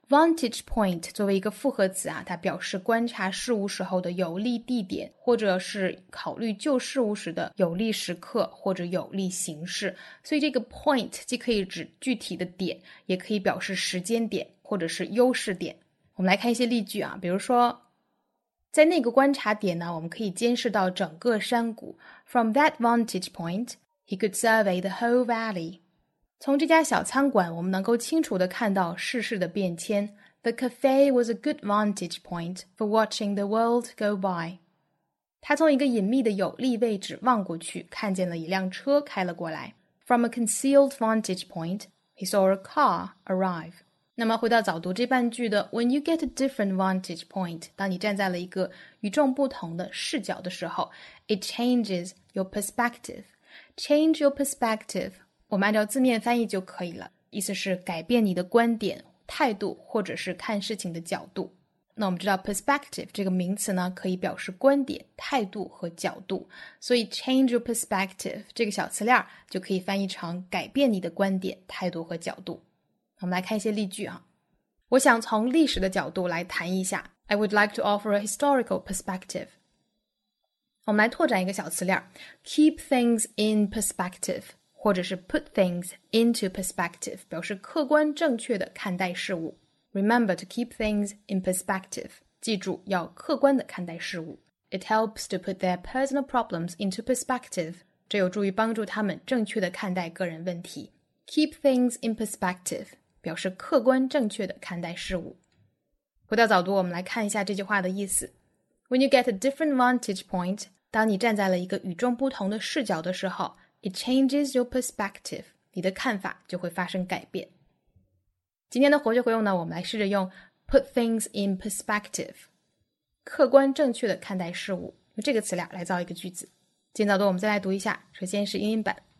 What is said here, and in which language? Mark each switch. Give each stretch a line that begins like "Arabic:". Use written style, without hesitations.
Chinese: Vantage point 作为一个复合词啊，它表示观察事物时候的有利地点，或者是考虑旧事物时的有利时刻或者有利形式。所以这个 point 既可以指具体的点，也可以表示时间点或者是优势点。我们来看一些例句啊，比如说在那个观察点呢，我们可以监视到整个山谷。
English: From that vantage point, he could survey the whole valley.
Chinese: 从这家小餐馆我们能够清楚地看到世事的变迁。
English: The cafe was a good vantage point for watching the world go by.
Chinese: 他从一个隐秘的有利位置望过去，看见了一辆车开了过来。
English: From a concealed vantage point, he saw a car arrive.
Chinese: 那么回到早读这半句的
English: When you get a different vantage point,
Chinese: 当你站在了一个与众不同的视角的时候
English: It changes your perspective. Change your perspective.
Chinese: 我们按照字面翻译就可以了，意思是改变你的观点、态度，或者是看事情的角度。那我们知道 perspective 这个名词呢，可以表示观点、态度和角度，所以
English: change your perspective
Chinese: 这个小词链就可以翻译成改变你的观点、态度和角度。我们来看一些例句啊。我想从历史的角度来谈一下。
English: I would like to offer a historical perspective.
Chinese: 我们来拓展一个小词链
English: keep things in perspective.
Chinese: 或者是
English: put things into perspective，
Chinese: 表示客观正确的看待事物。
English: Remember to keep things in perspective，
Chinese: 记住要客观的看待事物。
English: It helps to put their personal problems into perspective，
Chinese: 这有助于帮助他们正确的看待个人问题。
English: Keep things in perspective，
Chinese: 表示客观正确的看待事物。回到早读，我们来看一下这句话的意思。
English: When you get a different vantage point，
Chinese: 当你站在了一个与众不同的视角的时候，
English: It changes your perspective.
Chinese: 你的看法就会发生改变。今天的活学活用呢，我们来试着用
English: put things in perspective，
Chinese: 客观正确的看待事物，用这个词俩来造一个句子。今早的我们再来读一下，首先是英音版。